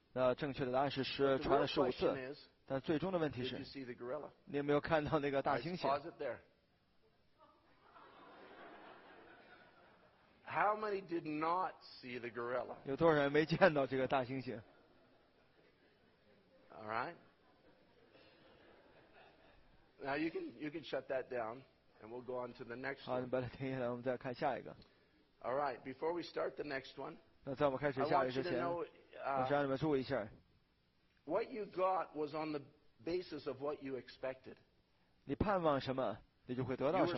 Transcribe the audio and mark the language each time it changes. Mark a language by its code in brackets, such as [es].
[zh] 那正确的答案是十，传了十五次。但最终的问题是，你有没有看到那个大猩猩 [en] ？Pause it there. How many did not see the gorilla? [zh] 有多少人没见到这个大猩猩 [en] ？All right. Now you can shut that down, and we'll go on to the next one. [zh] 好，你把它停下来，我们再看下一个。 [en] All right. Before we start the next one. [zh] 那在我们开始下一个之前，我想让你们注意一下。 [en] What you got was on the basis of what you expected. [zh] 你盼望什么，你就会得到什么。